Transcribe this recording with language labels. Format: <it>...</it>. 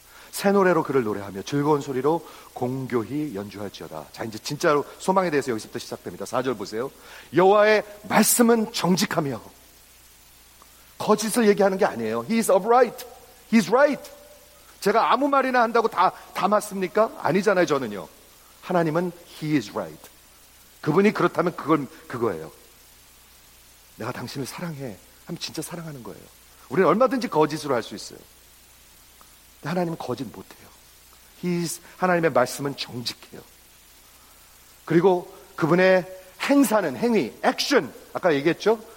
<ko>새 노래로 그를 노래하며 즐거운 소리로 공교히 연주할지어다. 자 이제 진짜로 소망에 대해서 여기서부터 시작됩니다. 4절 보세요. 여호와의 말씀은 정직하며 거짓을 얘기하는 게 아니에요.</ko> <en>He is upright. He is right.</en> <ko>제가 아무 말이나 한다고 다 맞습니까? 아니잖아요, 저는요. 하나님은</ko> <en>He is right.</en> <ko>그분이 그렇다면 그거예요. 내가 당신을 사랑해. 하면 진짜 사랑하는 거예요. 우리는 얼마든지 거짓으로 할 수 있어요. 근데 하나님은 거짓 못해요. 하나님의 말씀은 정직해요. 그리고 그분의 행사는, 행위, action, 아까 얘기했죠?</ko>